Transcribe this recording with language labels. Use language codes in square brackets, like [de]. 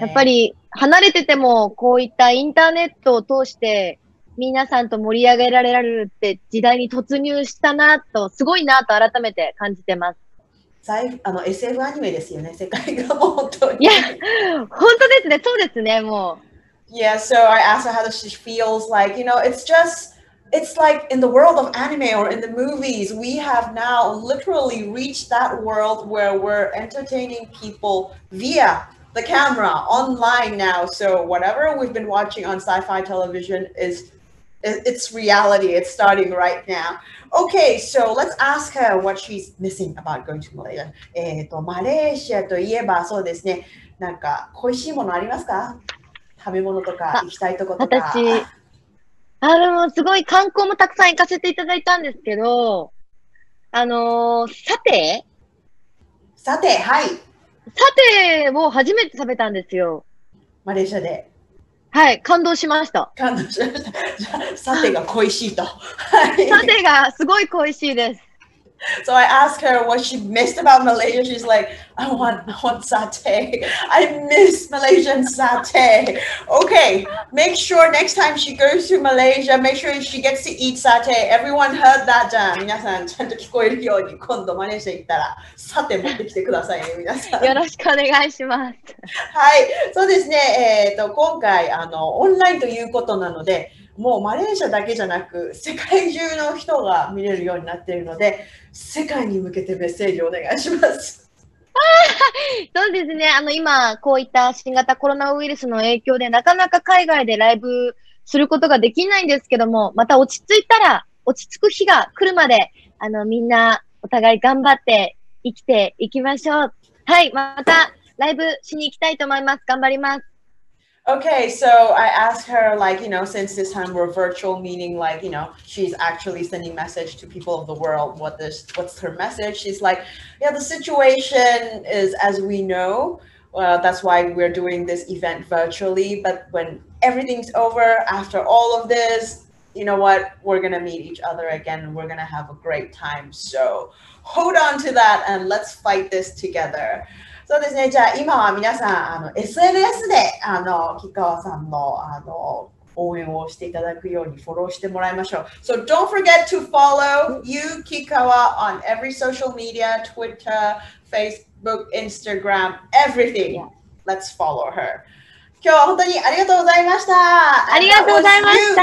[ja] やっぱり離れててもこういったインターネットを通して皆さんと盛り上げられるって時代に突入したなと、すごいなと改めて感じてます。あの SF アニメですよね、世界が。本当に、いや本当ですね、そうですね。もう [en] Yeah, so I asked her how she feels like, you know, it's just It's like in the world of anime or in the movies, we have now literally reached that world where we're entertaining people via the camera online now. So whatever we've been watching on sci-fi television is, it's reality. It's starting right now. Okay, so let's ask her what she's missing about going to Malaysia. [ja] マレーシアといえばそうですね。なんか恋しいものありますか？食べ物とか行きたいとことか。私あのすごい観光もたくさん行かせていただいたんですけど、サテ？サテ、はい。サテを初めて食べたんですよ。マレーシアで。はい、感動しました。感動しました。サテが恋しいと。サテがすごい恋しいです。 [en] So I asked her what she missed about Malaysia. She's like, I want satay. I miss Malaysian satay. Okay, make sure next time she goes to Malaysia, make sure she gets to eat satay. Everyone heard that, [ja] じゃん。皆さんちゃんと聞こえるように今度マレーシア行ったらサテ持ってきてくださいね、皆さん。よろしくお願いします。はい、そうですね。今回オンラインということなので、もうマレーシアだけじゃなく世界中の人が見れるようになっているので世界に向けてメッセージをお願いします。あ、そうですね、今こういった新型コロナウイルスの影響でなかなか海外でライブすることができないんですけども、また落ち着いたら落ち着く日が来るまでみんなお互い頑張って生きていきましょう。はい、またライブしに行きたいと思います。頑張ります。 [en] Okay, so I asked her, like, you know, since this time we're virtual, meaning like, you know, she's actually sending message to people of the world. What's her message? She's like, yeah, the situation is as we know. Well, that's why we're doing this event virtually. But when everything's over, after all of this, you know what? We're going to meet each other again. And we're going to have a great time. So hold on to that and let's fight this together. [ja] そうですね、じゃあ今は皆さん SNS で吉川さんの応援をしていただくようにフォローしてもらいましょう。 [en] So don't forget to follow you, Kikawa, on every social media, Twitter, Facebook, Instagram, everything. Let's follow her. [ja] 今日は本当にありがとうございました。ありがとうございました。